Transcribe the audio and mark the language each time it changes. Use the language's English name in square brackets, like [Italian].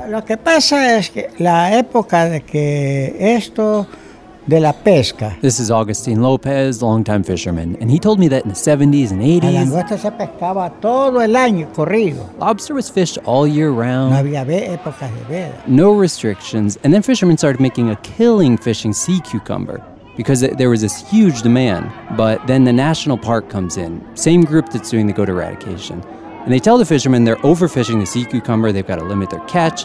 [Spanish] Lo que pasa es que la época de que esto de la pesca. [English] This is Agustin Lopez, longtime fisherman, and he told me that in the 70s and 80s, [Spanish] la langosta se pescaba todo el año corrido. [English] Lobster was fished all year round. [Spanish] No había época de veda. [English] No restrictions, and then fishermen started making a killing fishing sea cucumber because there was this huge demand. But then the national park comes in, same group that's doing the goat eradication. And they tell the fishermen they're overfishing the sea cucumber, they've got to limit their catch.